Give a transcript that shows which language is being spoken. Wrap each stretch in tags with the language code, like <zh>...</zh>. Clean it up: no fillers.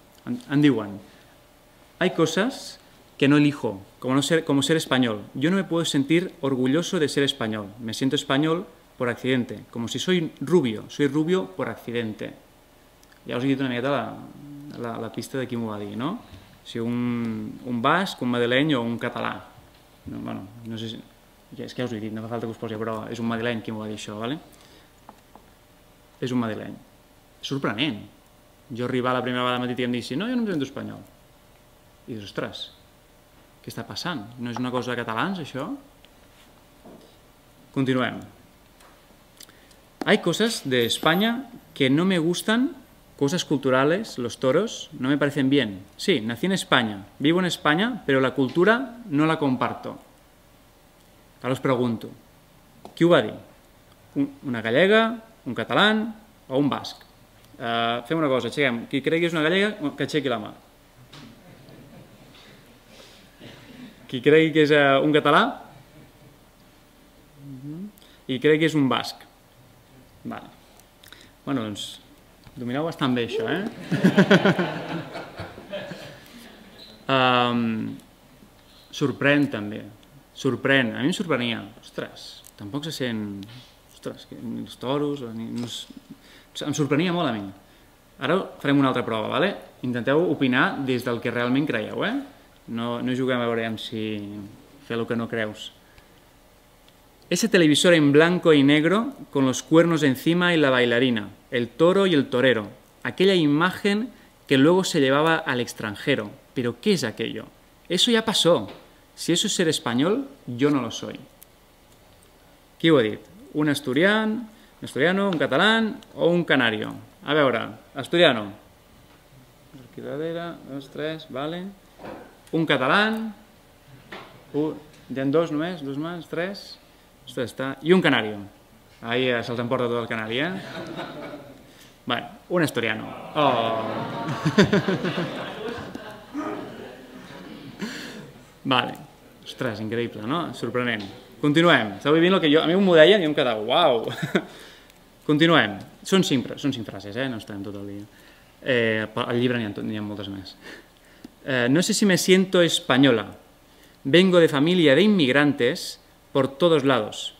<ca>Em diuen:</ca> <es>hay cosas que no elijo, como ser español. Yo no me puedo sentir orgulloso de ser español. Me siento español por accidente. Como si soy rubio. Soy rubio por accidente.</es> <ca>Ja us he dit una miqueta la pista de qui m'ho va dir, no? Si un basc, un madrileny o un català. No, bueno, no sé si... Ja, és que ja us ho he dit, no fa falta que us posi a prova. És un madrileny qui m'ho va dir això, vale? És un madrileny. Sorprenent. Jo arribar la primera vegada al matí i em dic: no, jo no em sento espanyol. I dius: ostres, què està passant? No és una cosa de catalans, això? Continuem. Hay cosas de España que no me gustan, cosas culturales, los toros, no me parecen bien. Sí, nací en España, vivo en España, pero la cultura no la comparto. Ara us pregunto, qui ho va dir? Una gallega, un català o un basc? Fem una cosa, aixequem. Qui cregui que és una gallega, que aixequi la mà. Qui cregui que és un català? I cregui que és un basc. Vale. Bueno, doncs, domineu bastant bé això, eh? Sorprèn, també. Sorprèn. A mi em sorprenia. Ostres, tampoc se sent... Ostres, ni els toros... Ni... Em sorprenia molt a mi. Ara farem una altra prova, vale? Intenteu opinar des del que realment creieu, eh? No, no juguem a veure si fer el que no creus.</ca> <es>Ese televisor en blanco y negro con los cuernos encima y la bailarina, el toro y el torero, aquella imagen que luego se llevaba al extranjero. ¿Pero qué es aquello? Eso ya pasó. Si eso es ser español, yo no lo soy.</es> <ca>¿Qui ho ha dit? ¿Un asturiano, un catalán o un canario? A veure, asturiano. Aquí darrere, dos, tres, vale. Un catalán. Hi ha dos només, dos mans, tres. Ostres, està... I un canario. Ahí ja se'ls emporta tot el canari, eh? Bé, un asturiano. Oh! Vale. Ostres, increïble, no? Sorprenent. Continuem. Estava vivint el que jo... A mi m'ho deien i em quedava... Uau! Continuem. Són cinc frases, eh? No estem tot el dia. Al llibre n'hi ha moltes més.</ca> <es>No sé si me siento española. Vengo de familia de inmigrantes por todos lados.</es>